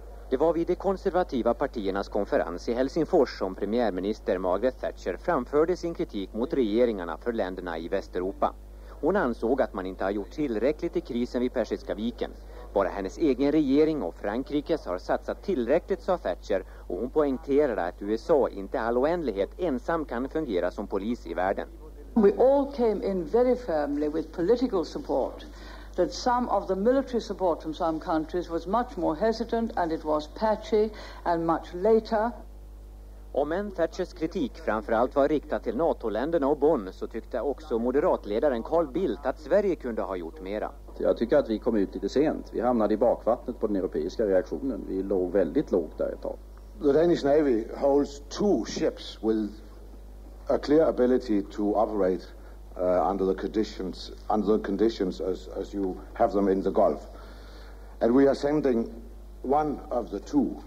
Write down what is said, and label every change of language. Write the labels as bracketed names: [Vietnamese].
[Swedish] Det var vid de konservativa partiernas konferens i Helsingfors som premiärminister Margaret Thatcher framförde sin kritik mot regeringarna för länderna i Västeuropa. Hon ansåg att man inte har gjort tillräckligt i krisen vid Persiska viken. Bara hennes egen regering och Frankrikes har satsat tillräckligt, sa Thatcher, och hon poängterade att USA inte all oändlighet ensam kan fungera som polis i världen. [English] We all came in very firmly with political support. That some of the military support from some countries was much more hesitant and it was patchy and much later. [Swedish] Om än Thatchers kritik framförallt var riktad till NATO-länderna och Bonn, så tyckte också moderatledaren Carl Bildt att Sverige kunde ha gjort mera. Jag tycker att vi kom ut lite sent. Vi hamnade i bakvattnet på den europeiska reaktionen. Vi låg väldigt lågt där ett tag. [English] The Danish Navy holds two ships with a clear ability to operate under the conditions as you have them in the Gulf, and we are sending one of the two.